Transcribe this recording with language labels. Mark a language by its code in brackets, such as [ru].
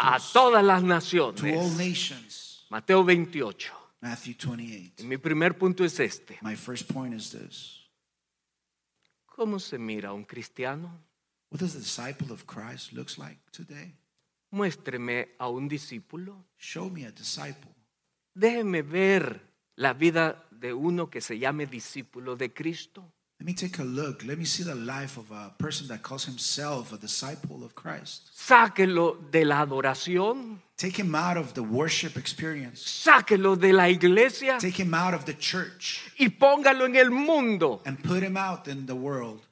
[es] a todas las naciones, [en] to all nations, [es] Mateo 28. [en] Matthew 28. [es] Y mi primer punto es este. [en] My first point is this. [es] ¿Cómo se mira un cristiano? [en] What does a disciple of Christ look like today? [es] Muéstreme a un discípulo. [en] Show me a disciple. [es] Déjeme ver la vida de uno que se llame discípulo de Cristo. [en] Let me take a look. Let me see the life of a person that calls himself a disciple of Christ. [es] Sáquelo de la adoración. [en] Take him out of the worship experience. [es] Sáquelo de la iglesia. [en] Take him out of the church. [es] Y póngalo en el mundo. [en] And put him out in the world.